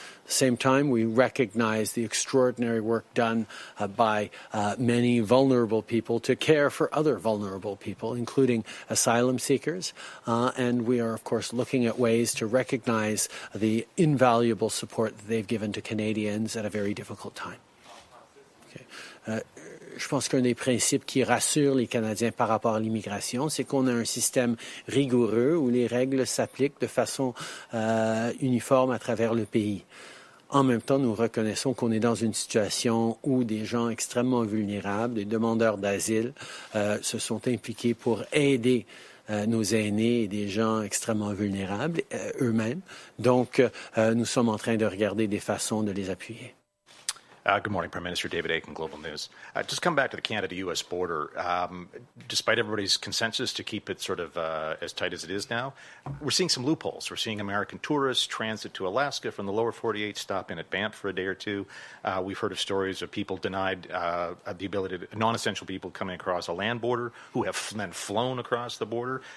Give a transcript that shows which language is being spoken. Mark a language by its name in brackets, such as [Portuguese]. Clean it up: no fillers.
[English] same time, we recognize the extraordinary work done by many vulnerable people to care for other vulnerable people, including asylum seekers. And we are, of course, looking at ways to recognize the invaluable support that they've given to Canadians at a very difficult time. Okay. [French] Je pense qu'un des principes qui rassure les Canadiens par rapport à l'immigration, c'est qu'on a un système rigoureux où les règles s'appliquent de façon uniforme à travers le pays. En même temps, nous reconnaissons qu'on est dans une situation où des gens extrêmement vulnérables, des demandeurs d'asile, se sont impliqués pour aider nos aînés et des gens extrêmement vulnérables eux-mêmes. Donc, nous sommes en train de regarder des façons de les appuyer. [English] Good morning, Prime Minister. David Aiken, Global News. Just come back to the Canada-U.S. border. Despite everybody's consensus to keep it sort of as tight as it is now, we're seeing some loopholes. We're seeing American tourists transit to Alaska from the lower 48, stop in at Banff for a day or two. We've heard of stories of people denied the ability to, non-essential people coming across a land border who have then flown across the border.